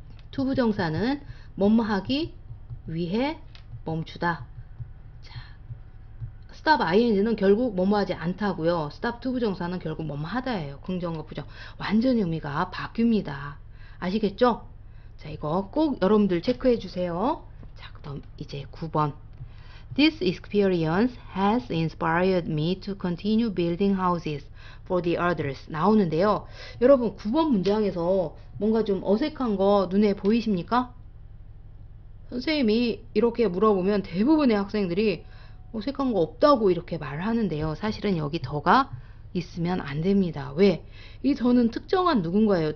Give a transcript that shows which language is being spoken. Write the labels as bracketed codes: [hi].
[ko] 투부정사는 뭐뭐하기 위해 멈추다. stop ing는 결국 뭐뭐하지 않다고요. stop 투부정사는 결국 뭐뭐하다예요. 긍정과 부정. 완전히 의미가 바뀝니다. 아시겠죠? 자, 이거 꼭 여러분들 체크해 주세요. 자, 그럼 이제 9번. [en] This experience has inspired me to continue building houses for the others. [ko] 나오는데요. 여러분, 9번 문장에서 뭔가 좀 어색한 거 눈에 보이십니까? 선생님이 이렇게 물어보면 대부분의 학생들이 어색한 거 없다고 이렇게 말하는데요. 사실은 여기 더가 있으면 안 됩니다. 왜? 이 더는 특정한 누군가예요.